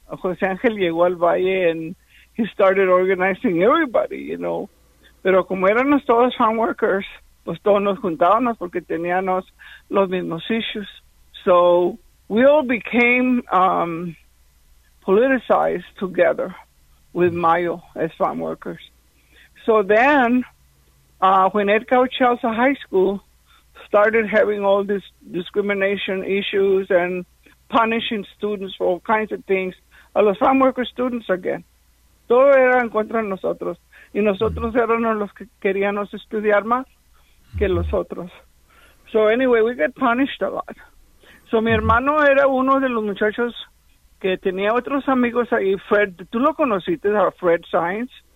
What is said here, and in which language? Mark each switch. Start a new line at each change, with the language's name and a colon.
English: José Ángel llegó al valle and he started organizing everybody, you know.
Spanish: Pero como éramos todos farm workers, pues todos nos juntábamos porque teníamos los mismos issues.
English: So we all became politicized together with MAYO as farm workers. So then, when Ed Cauchalsa High School started having all these discrimination issues and punishing students for all kinds of things, a los farm worker students again.
Spanish: Todo era en contra de nosotros. Y nosotros éramos los que queríamos estudiar más que los otros. So anyway, we got punished a lot. So mi hermano era uno de los muchachos que tenía otros amigos ahí. Fred, ¿tú lo conociste? A Fred Sainz.